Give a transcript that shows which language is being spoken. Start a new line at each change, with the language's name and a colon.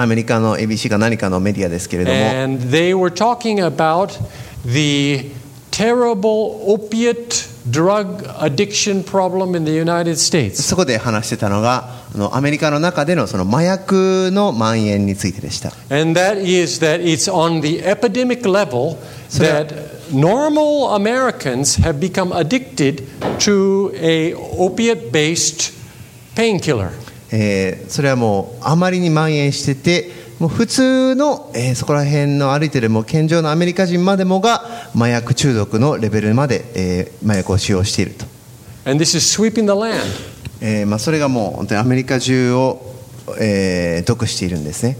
Japanese: アメリカの ABC か何かのメディアですけれども、
English: and they were talking about the terrible opiate drug addiction problem in the United States.
Japanese: そこで話してたのが、アメリカの中でのその麻薬の蔓延についてでした。
English: And that is that it's on the epidemic level that normal Americans have become addicted to a opiate-based painkiller.
Japanese: それはもうあまりに蔓延してて、もう普通の、そこら辺の歩いてるもう健常のアメリカ人までもが麻薬中毒のレベルまで、麻薬を使用していると。
English: And this is sweeping the land.
Japanese: まあそれがもう本当にアメリカ中を、毒しているんですね。